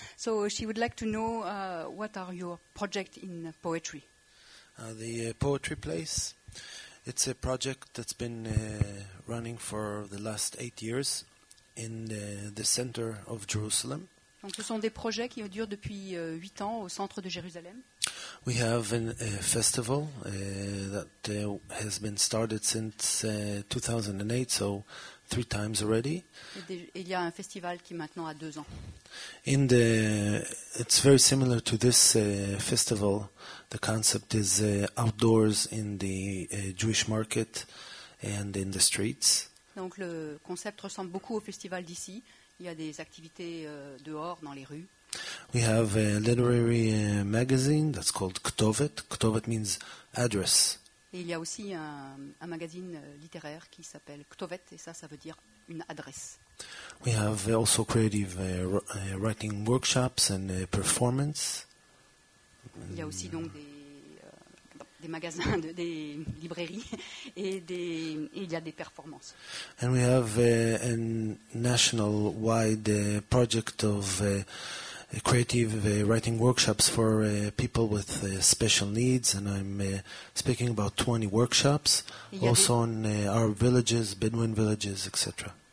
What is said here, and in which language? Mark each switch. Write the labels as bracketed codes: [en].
[en] So she would like to know what are your projects in poetry? The poetry place, it's a project that's been running for the last 8 years in the center of Jerusalem. [fr] Donc ce sont des projets qui durent depuis 8 ans au centre de Jérusalem. [en] We have a festival that has been started since 2008, so 3 times already. [fr] Il y a un festival qui maintenant a 2 ans. [en] In the, it's very similar to this festival. The concept is outdoors in the Jewish market and in the streets. [fr] Donc le concept ressemble beaucoup au festival d'ici. Il y a des activités dehors, dans les rues. [en] We have a literary magazine that's called Ktovet. Ktovet means address. [fr] Et il y a aussi un magazine littéraire qui s'appelle Ktovet, et ça veut dire une adresse. [en] We have also creative writing workshops and performances. [fr] Il y a aussi donc des magasins, des librairies, et il y a des performances. [en] And we have a national wide project of creative writing workshops for people with special needs, and I'm speaking about 20 workshops also in our villages, Bedouin villages, etc.